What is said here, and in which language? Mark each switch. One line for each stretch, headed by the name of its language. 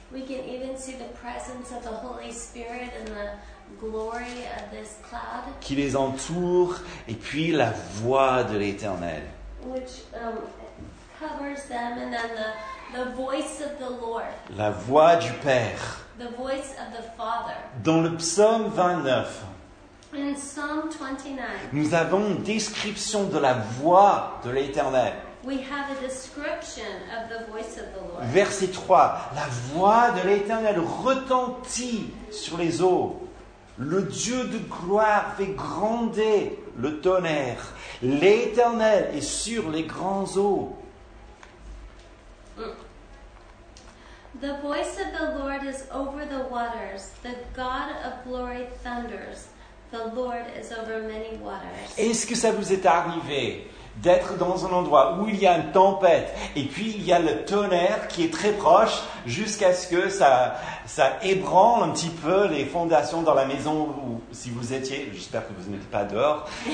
English: We can even see the presence of the Holy Spirit in the glory of this cloud.
French: Qui les entoure et puis la voix de l'Éternel.
English: Which covers them, and then the voice of the Lord.
French: La voix du Père.
English: The voice of the Father.
French: Dans le psaume 29.
English: In Psalm 29.
French: Nous avons une description de la voix de l'Éternel.
English: We have a description of the voice of the Lord.
French: Verset 3. La voix de l'Éternel retentit sur les eaux. Le Dieu de gloire fait gronder le tonnerre. L'Éternel est sur les grands eaux.
English: The voice of the Lord is over the waters. The God of glory thunders. The Lord is over many waters.
French: Est-ce que ça vous est arrivé d'être dans un endroit où il y a une tempête et puis il y a le tonnerre qui est très proche jusqu'à ce que ça ébranle un petit peu les fondations dans la maison où si vous étiez, j'espère que vous n'étiez pas dehors.